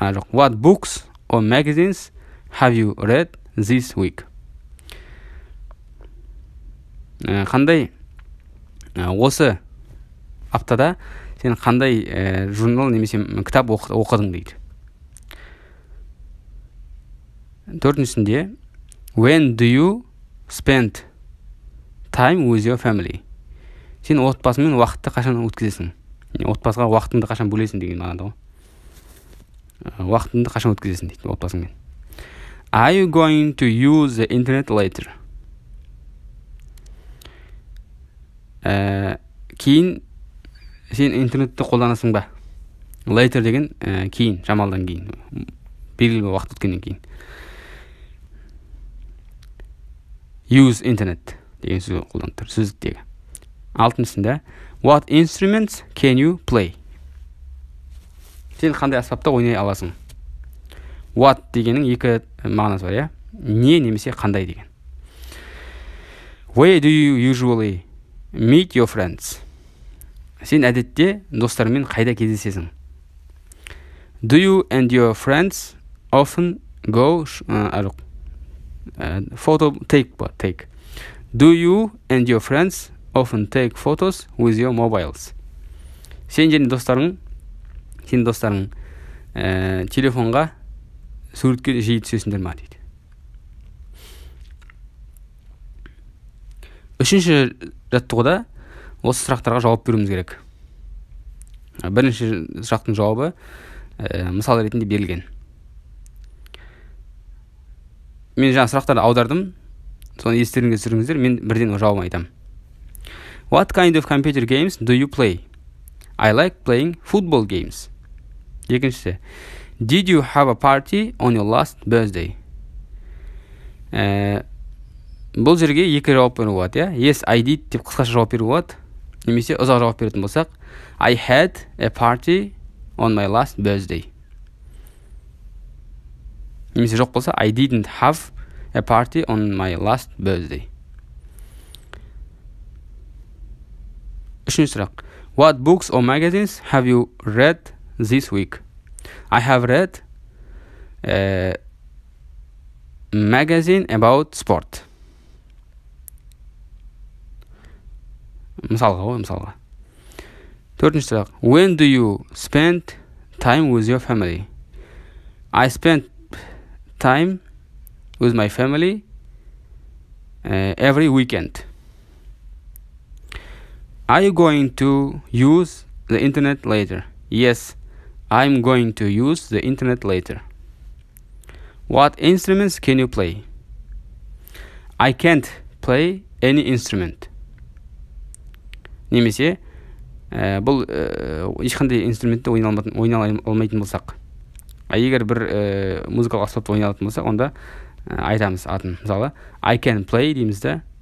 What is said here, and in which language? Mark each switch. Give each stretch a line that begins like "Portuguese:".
English: What books or magazines have you read this week?
Kazakh: Қандай осы аптада сен қандай журнал немесе кітап оқыдың дейді. Төртіншісінде,
English: when do you spend time with your family?
Kazakh: Сен отбасымен уақытты қашан өткізесің? Отбасыға уақытыңды қашан бөлесің деген мағынада ғой. Уақытыңды қашан өткізесің дейді отбасыңмен.
English: Are you going to use the internet later?
Kazakh: Кейін сен интернетті қолданасың ба? Later деген кейін, жамалдан кейін. Белгілі бір уақыт өткеннен кейін. Use internet деген сөзді қолданды. Сөздіктегі. Алтыншысында,
English: what instruments can you play?
Kazakh: Сен қандай аспапта ойнай аласың? What дегенің екі мағынасы бар, не немесе қандай деген.
English: Where do you usually meet your friends?
Kazakh: Сен әдетте достарымен қайда кездесесің?
English: Do you and your friends often go Do you and your friends often take photos with your mobiles?
Kazakh: Сен және достарың, сен достарың телефонға суретке жиі түсесіңдер ма дейді. Үшінші жаттығыда осы сұрақтарға жауап беруіміз керек. Бірінші сұрақтың жауабы мысал ретінде берілген. Мен жаңа сұрақтарды аудардым, соны естеріңізге түсіріңіздер, мен бірден жауабын айтам.
English: What kind of computer games do you play? I like playing football games.
Kazakh: Екіншісі,
English: did you have a party on your last birthday?
Kazakh: Бұл жерге екі жауап беру болады, иә?
English: Yes, I did
Kazakh: деп қысқаша жауап беру болады. Немесе ұзақ жауап беретін болсақ,
English: I had a party on my last birthday.
Kazakh: Немесе жоқ болса,
English: I didn't have a party on my last birthday.
Kazakh: Үшінші сұрақ.
English: What books or magazines have you read this week? I have read a magazine about sport.
Kazakh: Мысалға ғой, мысалға. Төртінші сұрақ.
English: When do you spend time with your family? I spend time with my family every weekend. Are you going to use the internet later? Yes, I'm going to use the internet later. What instruments can you play? I can't play any instrument.
Kazakh: Немесе, бұл ешқандай инструментті ойналмайтын болсақ. Егер бір музыкалық аспапты ойналатын болсақ, онда айтамыз атын. Мысалы,
English: I can play
Kazakh: деймізді.